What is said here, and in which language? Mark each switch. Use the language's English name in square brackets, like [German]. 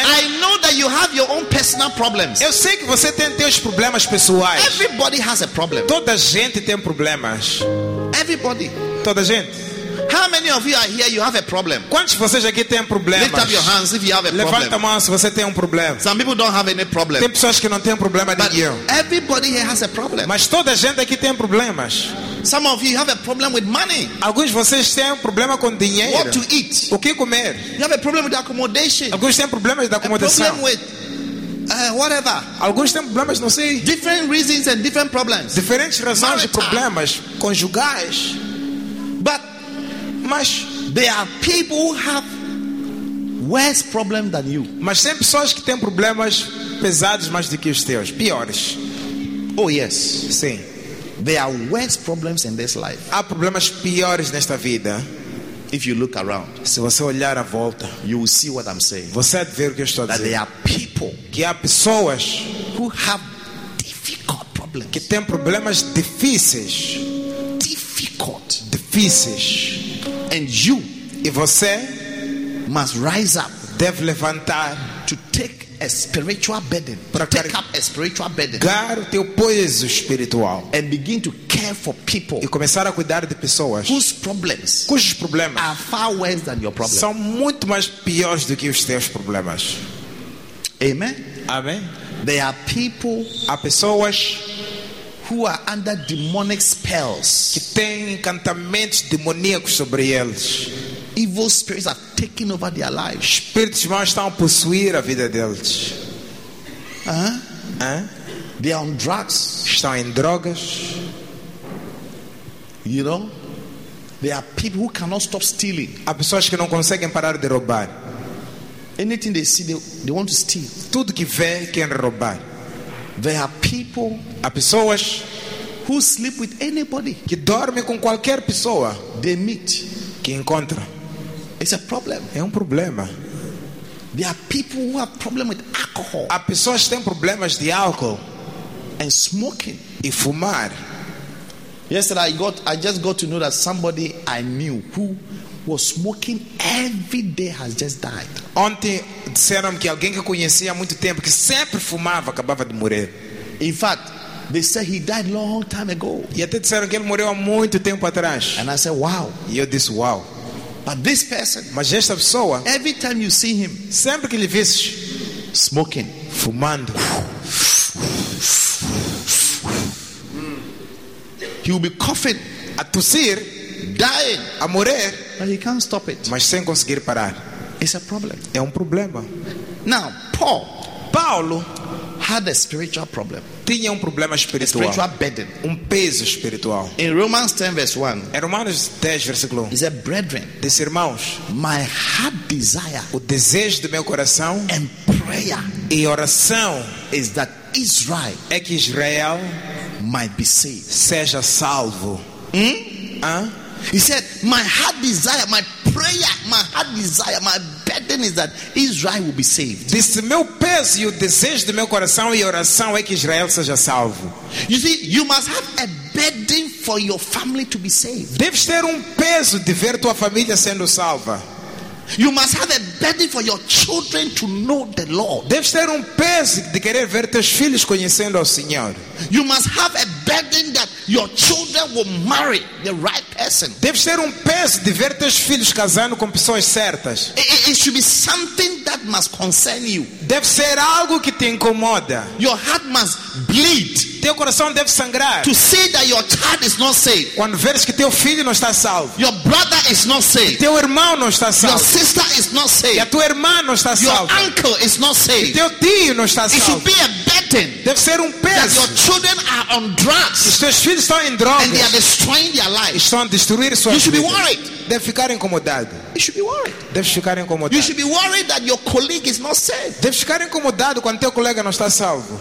[English] I know that you have your own personal problems. [Portuguese] Eu sei que você tem teus problemas pessoais. [English] Everybody has a problem. [Portuguese] Toda gente tem problemas. [English] Everybody. [Portuguese] Toda gente. [English] How many of you are here? You have a problem. [Portuguese] Quantos de vocês aqui têm problemas? [English] Lift up your hands if you have a problem. [Portuguese] Levanta a mão se você tem problema. [English] Some people don't have any problem. [Portuguese] Tem pessoas que não têm problema nenhum. [English] But everybody here has a problem. [Portuguese] Mas toda gente aqui tem problemas. [English] Some of you have a problem with money. [Portuguese] Alguns de vocês têm problema com dinheiro. [English] What to eat? [Portuguese] O que comer? [English] You have a problem with accommodation. [Portuguese] Alguns têm problemas de acomodação. [English] A problem with whatever. [Portuguese] Alguns têm problemas, não sei. [English] Different reasons and different problems. [Portuguese] Diferentes razões marital. De problemas conjugais. [English] But [Portuguese] mas [English] there are people who have worse problems than you. [Portuguese] Mas tem pessoas que têm problemas pesados mais do que os teus, piores. [English] Oh yes. [Portuguese] Sim. [English] There are worse problems in this life. [Portuguese] Há problemas piores nesta vida. [English] If you look around, [Portuguese] se você olhar à volta, [English] you will see what I'm saying. [Portuguese] Você vai ver o que eu estou [English] that [Portuguese] a dizer. [English] There are people, [Portuguese] que há pessoas, [English] who have difficult problems. [Portuguese] Que têm problemas difíceis. [English] Difficult. [Portuguese] Difíceis. [English] And you, [Portuguese] e você, [English] must rise up. [Portuguese] Deve levantar [English] to take a spiritual burden, to take up a spiritual burden, [Portuguese] guard o teu peso espiritual, [English] and begin to care for people, [Portuguese] e começar a cuidar de pessoas, [English] whose problems are far worse than your problems, [Portuguese] são muito mais piores do que os teus problemas. [English] Amen. [Portuguese] Amen. [English] There are people, [Portuguese] há pessoas, [English] who are under demonic spells, [Portuguese] que têm encantamentos demoníacos sobre eles. [English] Evil spirits are taking over their lives. [Portuguese] Espíritos maus estão a possuir a vida deles. [English] They are on drugs. [Portuguese] Estão em drogas. [English] You know, there are people who cannot stop stealing. [Portuguese] Há pessoas que não conseguem parar de roubar. [English] Anything they see, they want to steal. [Portuguese] Tudo que vê, querem roubar. [English] There are people, [Portuguese] há pessoas, [English] who sleep with anybody, [Portuguese] que dorme com qualquer pessoa, [English] they meet, [Portuguese] que encontra. [English] It's a problem. [Portuguese] É problema. [English] There are people who have problem with alcohol. [Portuguese] Há pessoas que têm problemas de álcool [English] and smoking. [Portuguese] E fumar. [English] Yesterday I just got to know that somebody I knew who was smoking every day has just died. [Portuguese] Ontem disseram que alguém que conhecia há muito tempo que sempre fumava acabava de morrer. [English] In fact, they said he died long time ago. [Portuguese] E até disseram que ele morreu há muito tempo atrás. [English] And I said, wow. [Portuguese] E eu disse, wow. [English] But this person, [Portuguese] mas esta pessoa, [English] every time you see him, [Portuguese] sempre que lhe vês, [English] smoking, [Portuguese] fumando, [English] he will be coughing, [Portuguese] a tossir, [English] dying, [Portuguese] a morrer, [English] but he can't stop it. [Portuguese] Mas sem conseguir parar. [English] It's a problem. [Portuguese] É problema. [English] Now, Paulo had a spiritual problem. [Portuguese] Tinha problema espiritual. [English] A spiritual burden. [Portuguese] Peso espiritual. [English] In Romans 10 verse 1. [Portuguese] Em Romanos 10 versículo 1. [English] He said, brethren, [Portuguese] disse, irmãos, [English] my heart desire, [Portuguese] o desejo do meu coração, [English] and prayer, [Portuguese] e oração, [English] is that Israel, [Portuguese] é que Israel [English] might be saved, [Portuguese] seja salvo. [English] He said, my heart desire, my prayer, my heart desire, my burden is that Israel will be saved. [Portuguese] Disse, meu peso e o desejo do meu coração e oração é que Israel seja salvo. [English] You see, you must have a burden for your family to be saved. [Portuguese] Deves ter peso de ver tua família sendo salva. [English] You must have a burden for your children to know the Lord. [Portuguese] Deves ter peso de querer ver teus filhos conhecendo ao Senhor. [English] You must have a burden that your children will marry the right person. [Portuguese] Deves ter peso de ver teus filhos casando com pessoas certas. [English] It should be something that must concern you. [Portuguese] Deve ser algo que te incomoda. [English] Your heart must bleed. [Portuguese] Teu coração deve sangrar. [English] To see that your child is not saved. [Portuguese] Quando veres que teu filho não está salvo. [English] Your brother is not saved. [Portuguese] Teu irmão não está salvo. [English] Your sister is not saved. [Portuguese] E a tua irmã não está salva. [English] Your uncle is not saved. [Portuguese] E teu tio não está salvo. [English] It should be a burden. [Portuguese] Deve ser peso. [English] That your children are on drugs. [Portuguese] Os teus filhos estão em drogas. [English] And they are destroying their life. [Portuguese] Estão a destruir sua [English] vida. You should be worried. [Portuguese] Deve ficar incomodado. [English] You should be worried. [Portuguese] Deve ficar incomodado. [English] You should be worried that your colleague is not saved. [Portuguese] Deve ficar incomodado quando teu colega não está salvo.